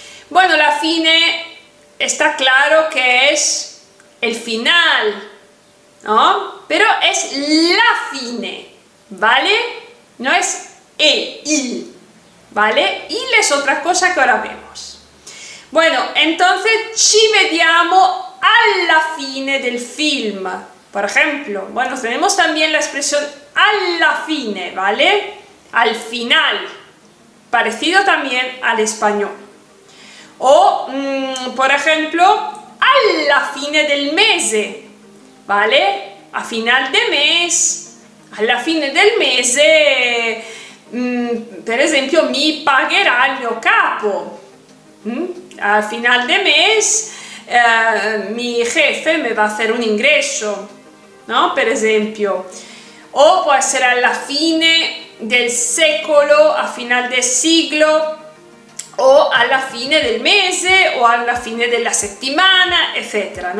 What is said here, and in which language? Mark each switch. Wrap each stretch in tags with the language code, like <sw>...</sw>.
<es>Bueno, la fine está claro que es el final, ¿no? Pero es la fine, ¿vale? No es il, ¿vale? Il es otra cosa que ahora vemos. Bueno, entonces</es> <it>ci vediamo alla fine del film.</it> <es>Por ejemplo, bueno, tenemos también la expresión</es> <it>alla fine,</it> <es>¿vale? Al final, parecido también al español. O, por ejemplo,</es> <it>alla fine del mese,</it> <es>¿vale? A final de mes,</es> <it>alla fine del mese,</it> <es>por ejemplo,</es> <it>mi pagherà il mio capo.</it> <es>Al final de mes, mi jefe me va a hacer un ingreso. ¿No?</es> <it>Per esempio, o può essere alla fine del secolo,</it> <es>a final del siglo,</es> <it>o alla fine del mese, o alla fine della settimana, eccetera.</it>